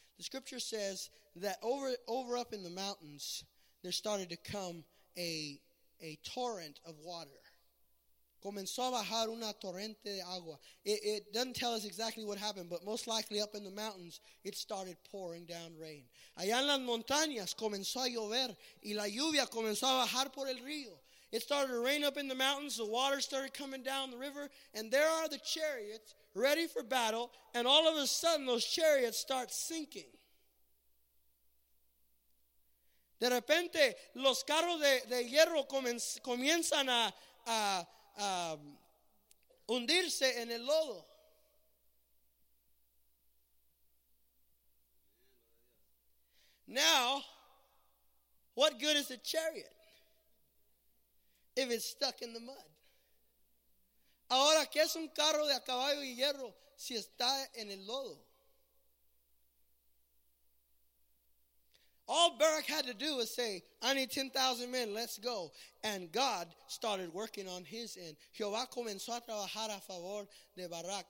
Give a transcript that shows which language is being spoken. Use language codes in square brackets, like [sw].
[en] The scripture says that over up in the mountains, there started to come a torrent of water. [es] Comenzó a bajar una torrente de agua. [en] It doesn't tell us exactly what happened, but most likely up in the mountains, it started pouring down rain. [es] Allá en las montañas comenzó a llover y la lluvia comenzó a bajar por el río. [en] It started to rain up in the mountains. The water started coming down the river, and there are the chariots ready for battle, and all of a sudden, those chariots start sinking. [es] De repente, los carros de hierro comienzan a hundirse en el lodo. [en] Now, what good is a chariot if it's stuck in the mud? [es] Ahora, ¿qué es un carro de a caballo y hierro si está en el lodo? [en] All Barak had to do was say, I need 10,000 men, let's go. And God started working on his end. [es] Jehová comenzó a trabajar a favor de Barak.